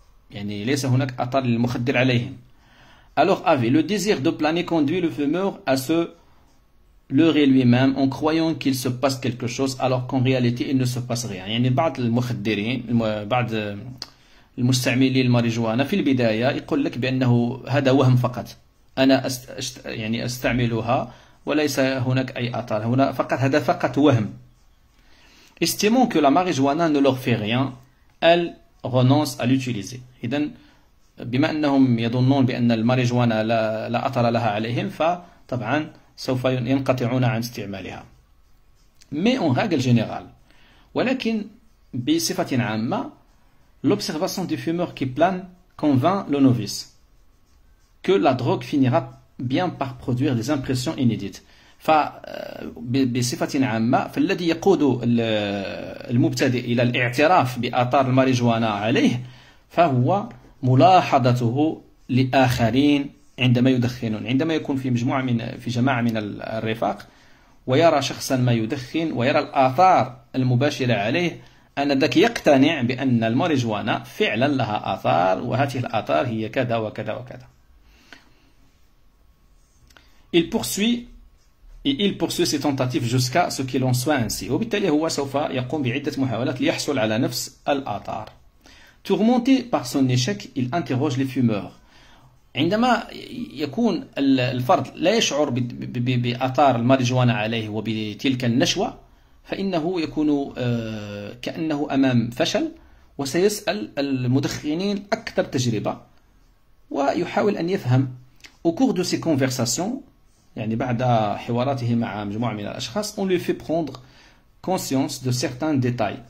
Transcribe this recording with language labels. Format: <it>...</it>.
<ar>يعني ليس هناك أثر للمخدر عليهم.</ar> <fr>Alors avait le désir de planer conduit le fumeur à se leurrer lui-même en croyant qu'il se passe quelque chose alors qu'en réalité il ne se passe rien.</fr> <ar>يعني بعض المخدرين بعض المستعملين للماريجوانا في البداية يقول لك بأنه هذا وهم فقط أنا يعني أستعملها وليس هناك أي آثار هنا فقط هذا فقط وهم.</ar> <fr>Estimant que la marijuana ne leur fait rien, elles renoncent à l'utiliser.</fr> <ar>إذن بما أنهم يظنون بأن الماريجوانا لا أثر لها عليهم فطبعا سوف ينقطعون عن استعمالها.</ar> <fr>Mais en règle générale</fr> <ar>ولكن بصفة عامة</ar> <fr>L'observation du fumeur qui plane convainc le novice que la drogue finira bien par produire des impressions inédites.</fr> <ar>بصفة عامة فالذي يقود المبتدئ إلى الاعتراف بآثار الماريجوانا عليه فهو ملاحظته لآخرين عندما يدخنون، عندما يكون في مجموعة من في جماعة من الرفاق ويرى شخصا ما يدخن ويرى الآثار المباشرة عليه أنذاك يقتنع بأن الماريجوانا فعلا لها آثار وهذه الآثار هي كذا وكذا وكذا.</ar> <fr>Il poursuit il poursuit ses tentatives jusqu'à ce qu'il en soit ainsi.</fr> <ar>وبالتالي هو سوف يقوم بعدة محاولات ليحصل على نفس الآثار.</ar> <fr>Tourmenté par son échec, il interroge les fumeurs.</fr> <ar>عندما يكون الفرد لا يشعر بآثار الماريجوانا عليه وبتلك النشوة فإنه يكون كأنه أمام فشل وسيسأل المدخنين أكثر تجربة ويحاول أن يفهم.</ar> <fr>Au cours de ces conversations,</fr> <ar>يعني بعد حواراته مع مجموعة من الأشخاص,</ar> <fr>on lui fait prendre conscience de certains détails.</fr>